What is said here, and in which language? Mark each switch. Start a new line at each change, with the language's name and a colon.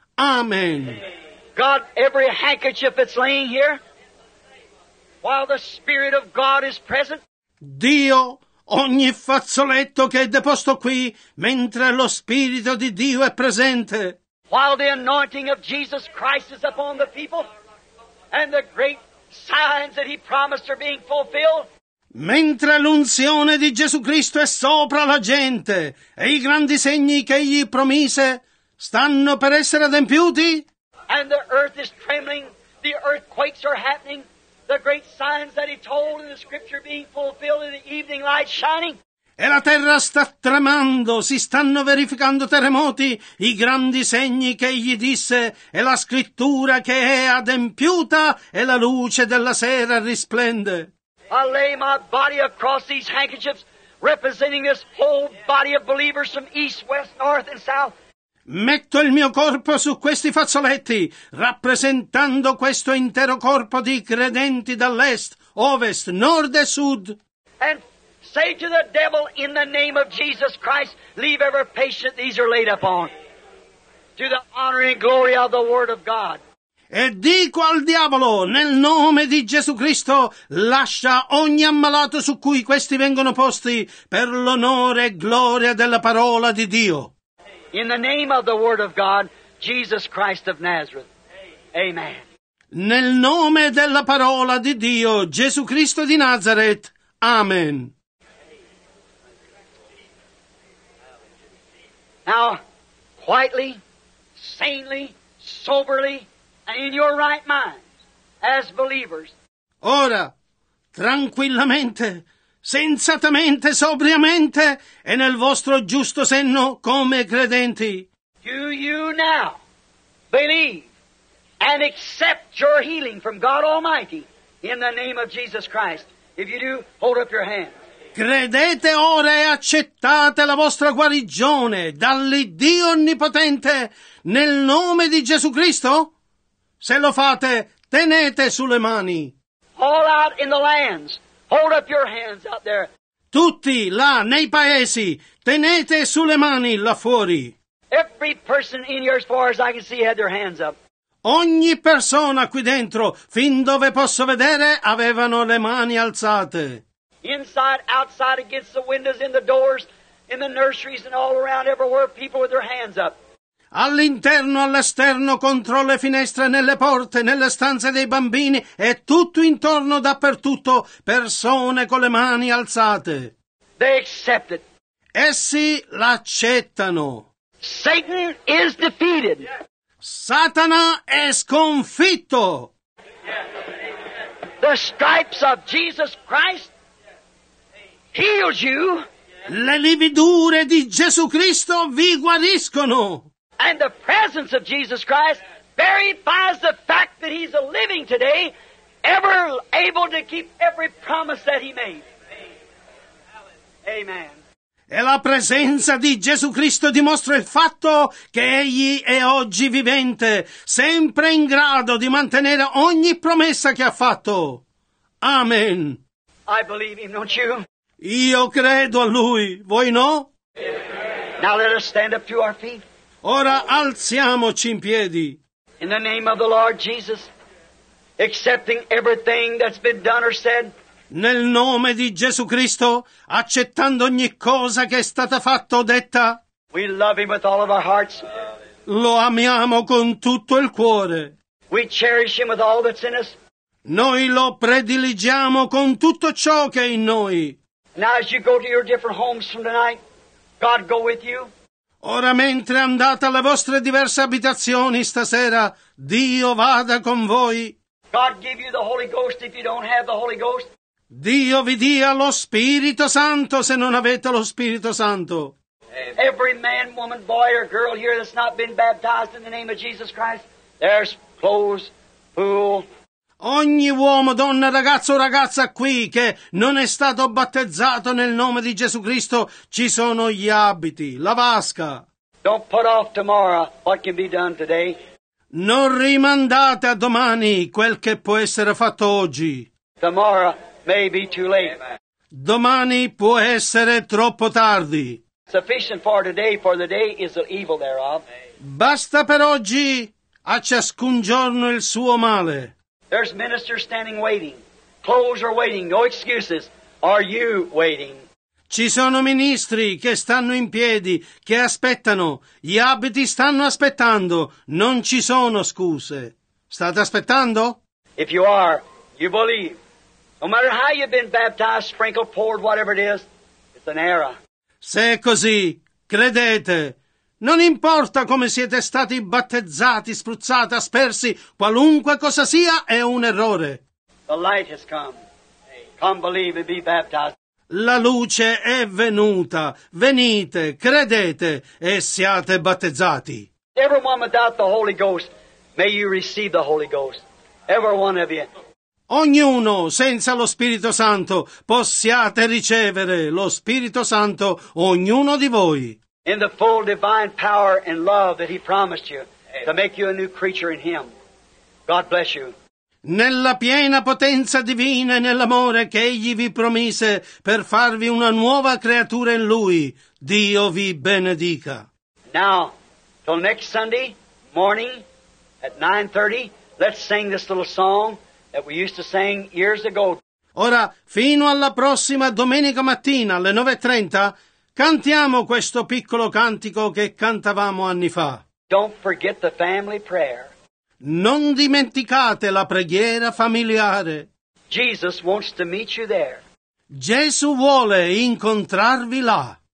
English: Amen. God, every handkerchief that's laying here, while the Spirit of God is present.
Italian: Dio, ogni fazzoletto che è deposto qui, mentre lo Spirito di Dio è presente.
English: While the anointing of Jesus Christ is upon the people, and the great signs that he promised are being fulfilled.
Italian: Mentre l'unzione di Gesù Cristo è sopra la gente e i grandi segni che egli promise stanno per essere adempiuti.
English: And the earth is trembling, the earthquakes are happening, the great signs that he told in the scripture being fulfilled in the evening light shining.
Italian: E la terra sta tremando, si stanno verificando terremoti, i grandi segni che egli disse, e la scrittura che è adempiuta, e la luce della sera risplende.
English: I lay my body across these handkerchiefs, representing this whole body of believers from east, west, north and south.
Italian: Metto il mio corpo su questi fazzoletti, rappresentando questo intero corpo di credenti dall'est, ovest, nord e sud.
English: And say to the devil, in the name of Jesus Christ, leave every patient these are laid upon, to the honor and glory of the word of God.
Italian: E dico al diavolo, nel nome di Gesù Cristo, lascia ogni ammalato su cui questi vengono posti, per l'onore e gloria della parola di Dio.
English: In the name of the word of God, Jesus Christ of Nazareth. Amen.
Italian: Nel nome della parola di Dio, Gesù Cristo di Nazareth.
English: Amen. Now, quietly, sanely, soberly, and in your right minds, as believers.
Italian: Ora, tranquillamente, sensatamente, sobriamente, e nel vostro giusto senno come credenti.
English: Do you now believe and accept your healing from God Almighty in the name of Jesus Christ? If you do, hold up your hand.
Italian: Credete ora e accettate la vostra guarigione dall'Iddio Onnipotente nel nome di Gesù Cristo? Se lo fate, tenete sulle mani.
English: All out in the lands, hold up your hands out there.
Italian: Tutti là nei paesi, tenete sulle mani là fuori.
English: Every person in here, as far as I can see, had their hands up.
Italian: Ogni persona qui dentro, fin dove posso vedere, avevano le mani alzate.
English: Inside, outside, against the windows, in the doors, in the nurseries, and all around, everywhere, people with their hands up.
Italian: All'interno, all'esterno, contro le finestre, nelle porte, nelle stanze dei bambini, e tutto intorno, dappertutto, persone con le mani alzate.
English: They accept it.
Italian: Essi l'accettano.
English: Satan is defeated.
Italian: Satana è sconfitto.
English: The stripes of Jesus Christ heals you.
Italian: Le lividure di Gesù Cristo vi guariscono.
English: And the presence of Jesus Christ verifies the fact that he's a living today, ever able to keep every promise that he made. Amen.
Italian: E la presenza di Gesù Cristo dimostra il fatto che Egli è oggi vivente, sempre in grado di mantenere ogni promessa che ha fatto.
English: Amen. I believe him, don't you?
Italian: Io credo a Lui, voi no?
English: Now let us stand up to our feet.
Italian: Ora alziamoci in piedi.
English: In the name of the Lord Jesus, accepting everything that's been done or said.
Italian: Nel nome di Gesù Cristo, accettando ogni cosa che è stata fatta o detta,
English: we love him with all of our hearts.
Italian: Lo amiamo con tutto il cuore.
English: We cherish him with all that's in us.
Italian: Noi lo prediligiamo con tutto ciò che è in noi.
English: Now as you go to your different homes from tonight, God go with you.
Italian: Ora mentre andate alle vostre diverse abitazioni stasera, Dio vada con voi.
English: God give you the Holy Ghost if you don't have the Holy Ghost.
Italian: Dio vi dia lo Spirito Santo se non avete lo Spirito Santo.
English: Every man, woman, boy or girl here that's not been baptized in the name of Jesus Christ, there's clothes, pool.
Italian: Ogni uomo, donna, ragazzo o ragazza qui che non è stato battezzato nel nome di Gesù Cristo, ci sono gli abiti, la vasca.
English: Don't put off tomorrow what can be done today.
Italian: Non rimandate a domani quel che può essere fatto oggi.
English: Tomorrow may be too late.
Italian: Domani può essere troppo tardi.
English: Sufficient for today, for the day is the evil thereof.
Italian: Basta per oggi, a ciascun giorno il suo male.
English: There's ministers standing waiting. Clothes are waiting. No excuses. Are you waiting?
Italian: Ci sono ministri che stanno in piedi, che aspettano. Gli abiti stanno aspettando. Non ci sono scuse. State aspettando?
English: If you are, you believe. No matter how you've been baptized, sprinkled, poured, whatever it is, it's an era.
Italian: Se è così, credete. Non importa come siete stati battezzati, spruzzati, aspersi, qualunque cosa sia, è un errore.
English: The light has come. Come believe and be baptized.
Italian: La luce è venuta. Venite, credete e siate battezzati.
English: Everyone without the Holy Ghost, may you receive the Holy Ghost. Every one of you.
Italian: Ognuno senza lo Spirito Santo possiate ricevere lo Spirito Santo ognuno di voi.
English: In the full divine power and love that he promised you to make you a new creature in him. God bless you.
Italian: Nella piena potenza divina e nell'amore che egli vi promise per farvi una nuova creatura in lui, Dio vi benedica.
English: Now, till next Sunday morning at 9:30, let's sing this little song that we used to sing years ago.
Italian: Ora, fino alla prossima domenica mattina alle 9:30, cantiamo questo piccolo cantico che cantavamo anni fa.
English: Don't forget the family prayer.
Italian: Non dimenticate la preghiera familiare.
English: Jesus wants to meet you there.
Italian: Gesù vuole incontrarvi là.